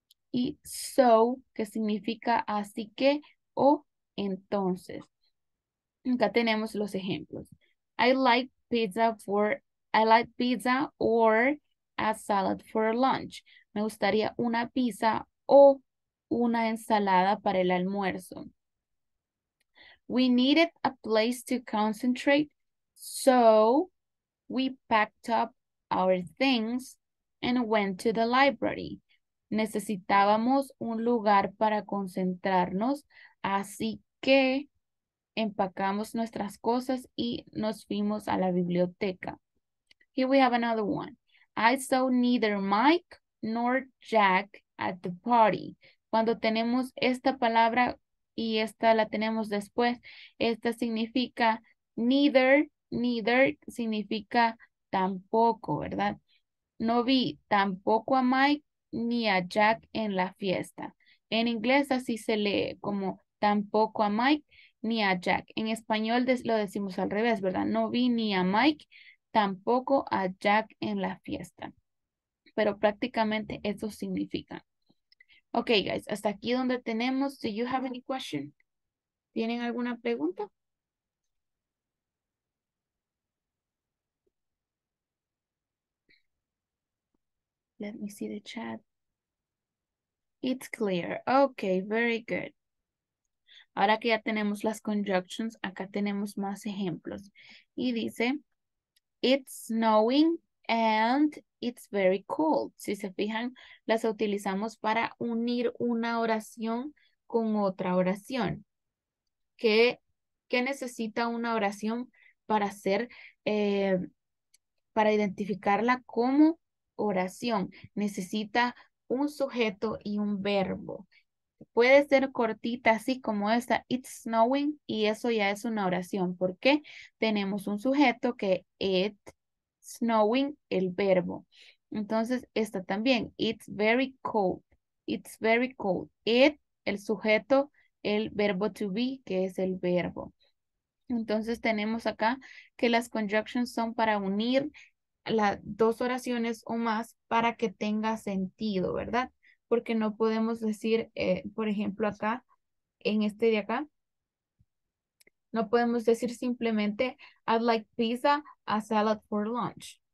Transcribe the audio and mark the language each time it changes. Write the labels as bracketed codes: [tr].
[es] Y so, que significa así que o entonces. Acá tenemos los ejemplos. [en] I like pizza or a salad for lunch. [es] Me gustaría una pizza o una ensalada para el almuerzo. [en] We needed a place to concentrate, so we packed up our things and went to the library. [es] Necesitábamos un lugar para concentrarnos, así que empacamos nuestras cosas y nos fuimos a la biblioteca. [en] Here we have another one. I saw neither Mike nor Jack at the party. [es] Cuando tenemos esta palabra y esta la tenemos después, esta significa neither, neither significa tampoco, ¿verdad? No vi tampoco a Mike ni a Jack en la fiesta. En inglés así se lee como tampoco a Mike ni a Jack. En español lo decimos al revés, ¿verdad? No vi ni a Mike, tampoco a Jack en la fiesta. Pero prácticamente eso significa. Ok, guys, hasta aquí donde tenemos. [en] Do you have any question? [es] ¿Tienen alguna pregunta? [en] Let me see the chat. It's clear. Ok, very good. [es] Ahora que ya tenemos las conjunctions, acá tenemos más ejemplos. Y dice, [en] it's snowing and it's very cold. [es] Si se fijan, las utilizamos para unir una oración con otra oración. ¿Qué necesita una oración para hacer, para identificarla como oración? Necesita un sujeto y un verbo. Puede ser cortita, así como esta, [en] it's snowing, [es] y eso ya es una oración. ¿Por qué? Tenemos un sujeto que [en] it's snowing, [es] el verbo. Entonces, esta también, [en] it's very cold, it's very cold. [es] It, el sujeto, el verbo to be, que es el verbo. Entonces, tenemos acá que las conjunctions son para unir las dos oraciones o más para que tenga sentido, ¿verdad? Porque no podemos decir, por ejemplo, acá, en este de acá, no podemos decir simplemente, [en] I'd like pizza, a salad for lunch.